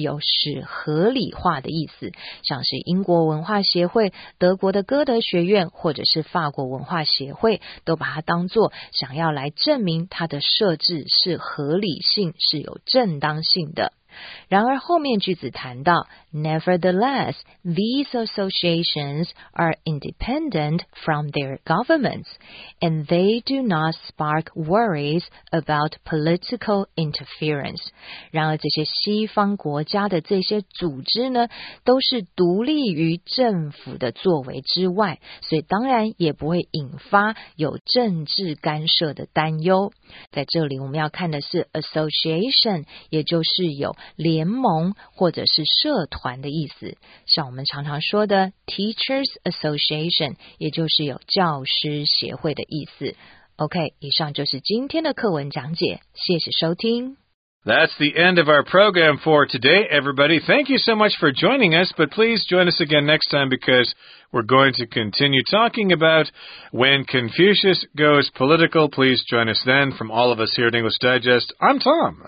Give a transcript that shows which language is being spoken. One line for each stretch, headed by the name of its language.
Chinese: 而他们透过呢这个汉办来促进他们想要达到的目的。所以在第三段中间提到，其实汉办呢想要借由把这个孔子学院跟孔子教室呢把它当作西方国家的相当类似的组织。在这里的justify其实就是有使合理化的意思，像是英国文化协会、德国的歌德学院或者是法国文化协会都把它当作想要来证明它的设置是合理性，是有正当性的。然而后面句子谈到
English: Nevertheless, these associations are independent from their governments, and they do not spark worries about political interference.
Chinese: 然而这些西方国家的这些组织呢，都是独立于政府的作为之外，所以当然也不会引发有政治干涉的担忧。在这里我们要看的是 association, 也就是有联盟或者是社团的意思，像我们常常说的 Teachers Association, 也就是有教师协会的意思。 OK, 以上就是今天的课文讲解，谢谢收听。
English: That's the end of our program for today, everybody. Thank you so much for joining us, but please join us again next time because we're going to continue talking about when Confucius goes political. Please join us then. From all of us here at English Digest, I'm Tom.